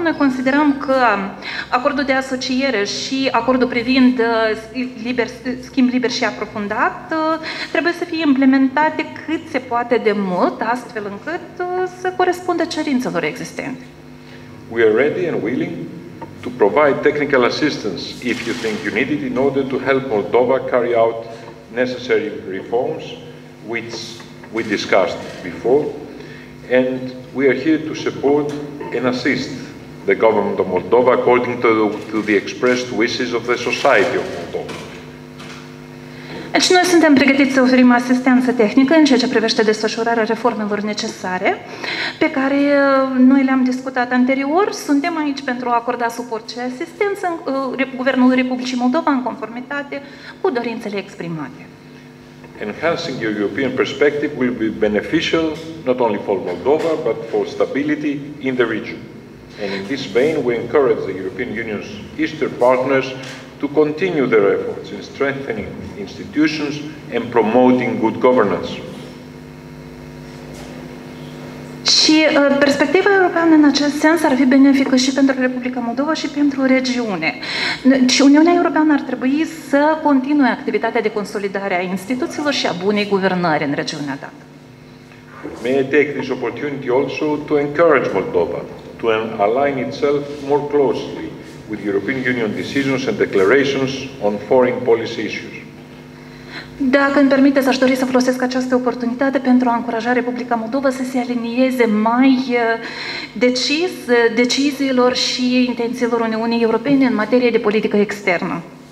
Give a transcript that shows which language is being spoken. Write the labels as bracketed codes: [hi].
[ro] Noi considerăm că acordul de asociere și acordul privind schimb liber și aprofundat trebuie să fie implementate cât se poate de mult, astfel încât să corespundă cerințelor existente. [en] We are ready and willing to provide technical assistance if you think you need it in order to help Moldova carry out necessary reforms which we discussed before, and we are here to support and assist the government of Moldova according to the expressed wishes of the society of Moldova. [ro] Deci noi suntem pregătiți să oferim asistență tehnică în ceea ce privește desfășurarea reformelor necesare, pe care noi le-am discutat anterior. Suntem aici pentru a acorda suport și asistență în Guvernul Republicii Moldova în conformitate cu dorințele exprimate. [en] Enhancing your European perspective will be beneficial not only for Moldova, but for stability in the region. And in this vein, we encourage the European Union's Eastern partners to continue their efforts in strengthening institutions and promoting good governance. [ro] Și perspectiva europeană în acest sens ar fi benefică și pentru Republica Moldova și pentru regiune. Și Uniunea Europeană ar trebui să continue activitatea de consolidare a instituțiilor și a bunei guvernări în regiunea dată. [en] May I take this opportunity also to encourage Moldova to align itself more closely with European Union decisions and declarations on foreign policy issues. [ro] Dacă îmi permiteți, aș dori să folosesc această oportunitate pentru a încuraja Republica Moldova să se alinieze mai decis deciziilor și intențiilor Uniunii Europene în materie de politică externă.